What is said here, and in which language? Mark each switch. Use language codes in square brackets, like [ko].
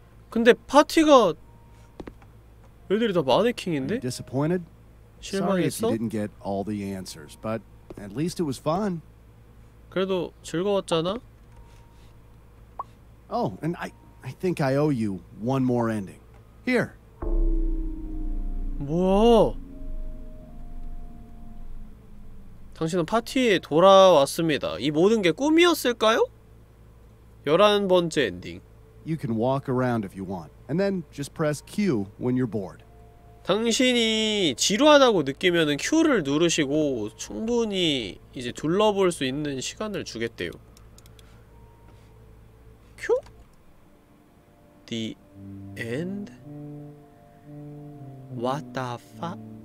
[ko] 근데 파티가 애들이 다 마네킹인데? [en] Disappointed? [ko] 실망했어? [en] Sorry if you didn't get all the answers, but at least it was fun. [ko] 그래도 즐거웠잖아. [en] Oh, and I think I owe you one more ending. Here. [ko] 뭐야? 당신은 파티에 돌아왔습니다. 이 모든 게 꿈이었을까요? 11번째 엔딩. [en] You can walk around if you want. And then just press Q when you're bored. [ko] 당신이 지루하다고 느끼면은 Q를 누르시고 충분히 이제 둘러볼 수 있는 시간을 주겠대요. [en] Q? The end? What the fuck?